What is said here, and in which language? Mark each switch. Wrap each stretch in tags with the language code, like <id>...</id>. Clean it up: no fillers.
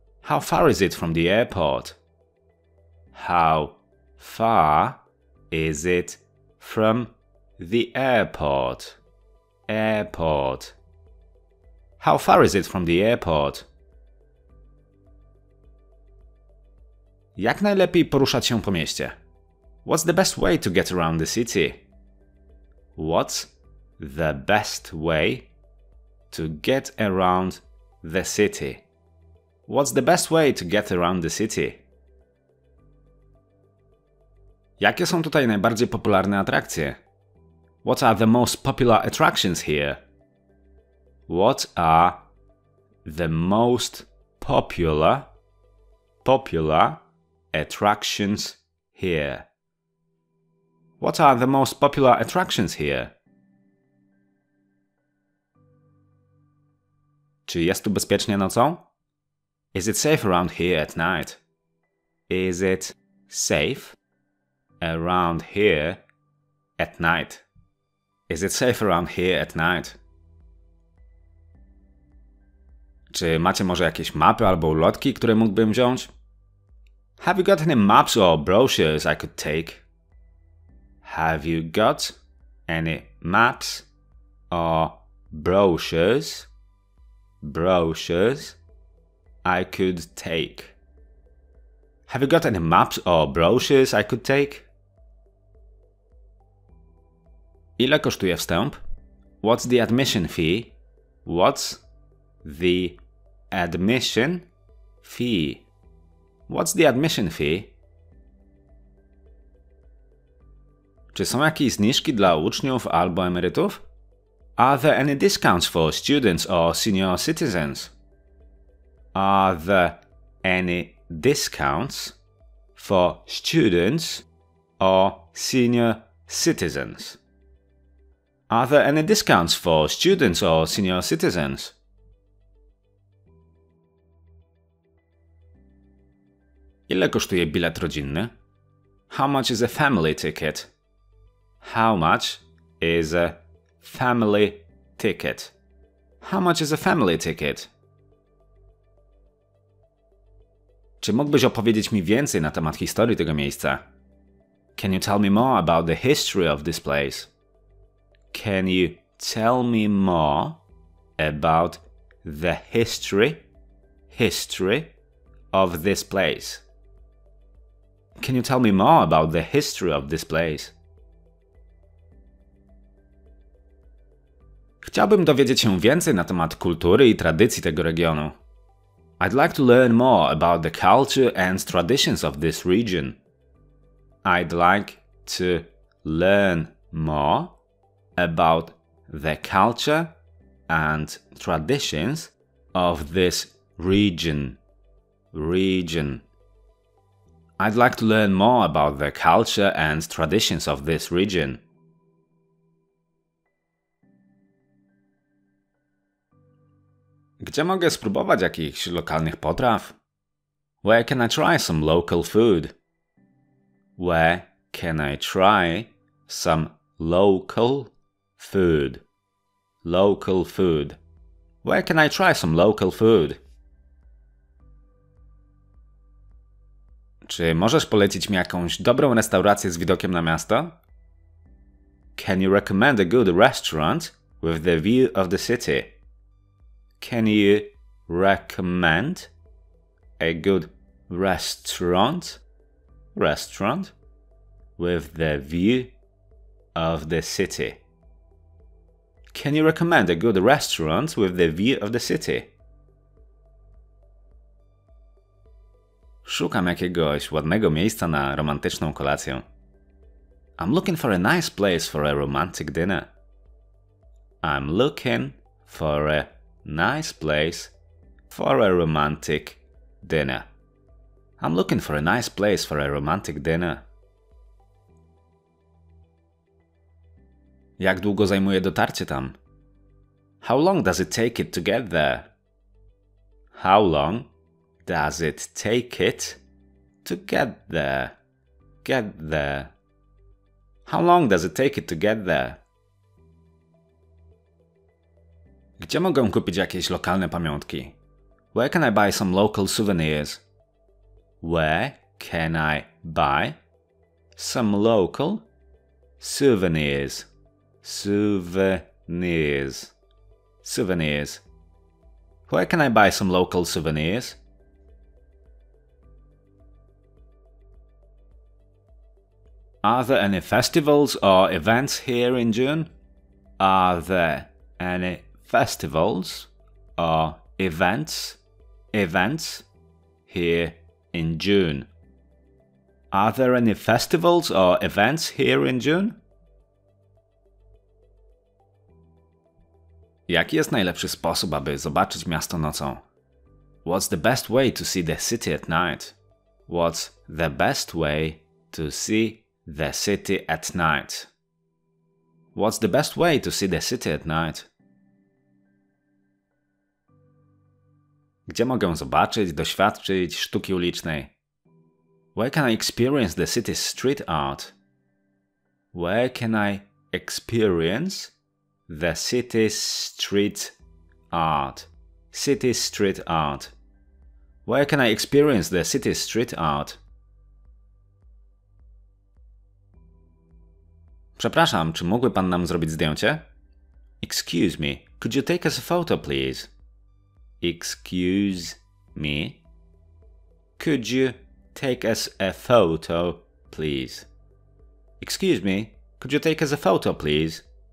<en>How far is it from the airport? How far is it from the airport? Airport. How far is it from the airport?</en> <pl>Jak najlepiej poruszać się po mieście?</pl> <en>What's the best way to get around the city? What's the best way to get around the city? What's the best way to get around the city?</en> <pl>Jakie są tutaj najbardziej popularne atrakcje?</pl> <en>What are the most popular attractions here? What are the most popular attractions here? What are the most popular attractions here?</en> <pl>Czy jest tu bezpiecznie nocą?</pl> <en>Is it safe around here at night? Is it safe around here at night? Is it safe around here at night?</en> <pl>Czy macie może jakieś mapy albo ulotki, które mógłbym wziąć?</pl> <en>Have you got any maps or brochures I could take? Have you got any maps or brochures? Brochures I could take. Have you got any maps or brochures I could take?</en> <pl>Ile kosztuje wstęp?</pl> <en>What's the admission fee? What's the admission fee? What's the admission fee?</en> <pl>Czy są jakieś zniżki dla uczniów albo emerytów?</pl> <en>Are there any discounts for students or senior citizens? Are there any discounts for students or senior citizens? Are there any discounts for students or senior citizens?</en> <pl>Ile kosztuje bilet rodzinny?</pl> <en>How much is a family ticket? How much is a family ticket? How much is a family ticket?</en> <pl>Czy mógłbyś opowiedzieć mi więcej na temat historii tego miejsca?</pl> <en>Can you tell me more about the history of this place? Can you tell me more about the history of this place? Can you tell me more about the history of this place?</en> <pl>Chciałbym dowiedzieć się więcej na temat kultury i tradycji tego regionu.</pl> <en>I'd like to learn more about the culture and traditions of this region. I'd like to learn more about the culture and traditions of this region. Region. I'd like to learn more about the culture and traditions of this region.</en> <pl>Gdzie mogę spróbować jakichś lokalnych potraw?</pl> <en>Where can I try some local food? Where can I try some local food? Local food. Where can I try some local food?</en> <pl>Czy możesz polecić mi jakąś dobrą restaurację z widokiem na miasto?</pl> <en>Can you recommend a good restaurant with the view of the city? Can you recommend a good restaurant? Restaurant with the view of the city. Can you recommend a good restaurant with the view of the city?</en> <pl>Szukam jakiegoś ładnego miejsca na romantyczną kolację.</pl> <en>I'm looking for a nice place for a romantic dinner. I'm looking for a nice place for a romantic dinner. I'm looking for a nice place for a romantic dinner.</en> <pl>Jak długo zajmuje dotarcie tam?</pl> <en>How long does it take it to get there? How long does it take it to get there? Get there. How long does it take it to get there?</en> <pl>Gdzie mogę kupić jakieś lokalne pamiątki?</pl> <en>Where can I buy some local souvenirs? Where can I buy some local souvenirs? Souvenirs. Souvenirs. Where can I buy some local souvenirs? Are there any festivals or events here in June? Are there any festivals or events here in June? Are there any festivals or events here in June?</en> <pl>Jaki jest najlepszy sposób, aby zobaczyć miasto nocą?</pl> <en>What's the best way to see the city at night? What's the best way to see the city at night? What's the best way to see the city at night?</en> <pl>Gdzie mogę zobaczyć, doświadczyć sztuki ulicznej?</pl> <en>Where can I experience the city's street art? Where can I experience the city's street art? City's street art. Where can I experience the city's street art?</en> <pl>Przepraszam, czy mógłby pan nam zrobić zdjęcie?</pl> <en>Excuse me, could you take us a photo, please? Excuse me, could you take us a photo, please? Excuse me, could you take us a photo, please?</en>